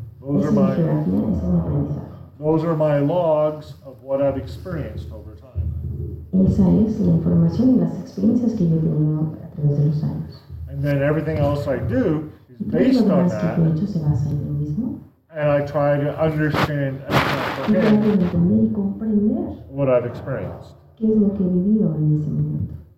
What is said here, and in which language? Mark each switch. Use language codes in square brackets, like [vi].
[en] Those are my logs of what I've experienced over time. [es] Esa es la información y las experiencias que yo he tenido a través de los años. [en] And then everything else I do is based on that. [es] Y todo lo demás que he hecho se basa en lo mismo. [en] And I try to understand and comprehend what I've experienced. [es] ¿Qué es lo que he vivido en ese momento?